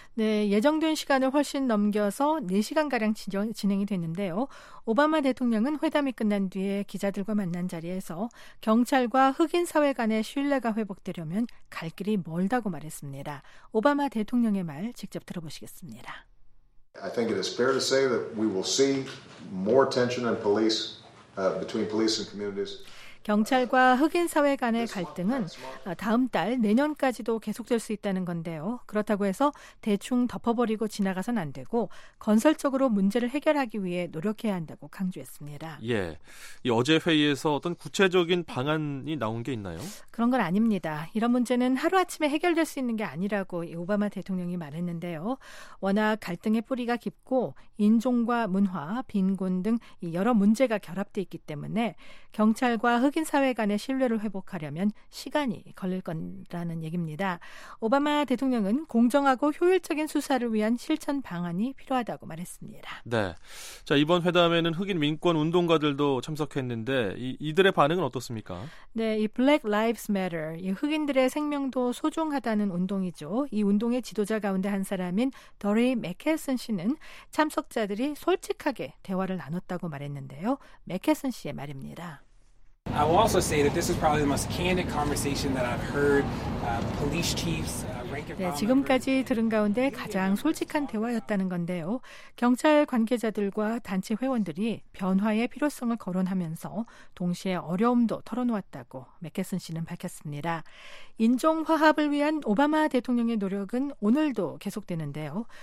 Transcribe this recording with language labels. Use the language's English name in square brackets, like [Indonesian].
[Korean] 네, 예정된 시간을 훨씬 넘겨서 4시간가량 진행이 됐는데요. 오바마 대통령은 회담이 끝난 뒤에 기자들과 만난 자리에서 경찰과 흑인 사회 간의 신뢰가 회복되려면 갈 길이 멀다고 말했습니다. 오바마 대통령의 말 직접 들어보시겠습니다. [English] I think it is fair to say that we will see more tension and police between police and communities. [Korean] 경찰과 흑인 사회 간의 갈등은 다음 달 내년까지도 계속될 수 있다는 건데요. 그렇다고 해서 대충 덮어버리고 지나가서는 안 되고 건설적으로 문제를 해결하기 위해 노력해야 한다고 강조했습니다. 예, 이 어제 회의에서 어떤 구체적인 방안이 나온 게 있나요? 그런 건 아닙니다. 이런 문제는 하루아침에 해결될 수 있는 게 아니라고 오바마 대통령이 말했는데요. 워낙 갈등의 뿌리가 깊고 인종과 문화, 빈곤 등 여러 문제가 결합돼 있기 때문에 경찰과 흑인 사회 간의 신뢰를 회복하려면 시간이 걸릴 거라는 얘기입니다. 오바마 대통령은 공정하고 효율적인 수사를 위한 실천 방안이 필요하다고 말했습니다. 네. 자, 이번 회담에는 흑인 민권 운동가들도 참석했는데 이들의 반응은 어떻습니까? 네, 이 Black Lives Matter, 이 흑인들의 생명도 소중하다는 운동이죠. 이 운동의 지도자 가운데 한 사람인 더리 맥켈슨 씨는 참석자들이 솔직하게 대화를 나눴다고 말했는데요. 맥켈슨 씨의 말입니다. [English] I will also say that this is probably the most candid conversation that I've heard police chiefs [Korean] 네, 지금까지 들은 가운데 가장 솔직한 대화였다는 건데요. 경찰 관계자들과 단체 회원들이 변화의 필요성을 거론하면서 동시에 어려움도 털어놓았다고 맥켈슨 씨는 밝혔습니다. 인종 화합을 위한 오바마 대통령의 노력은 오늘도 계속되는데요.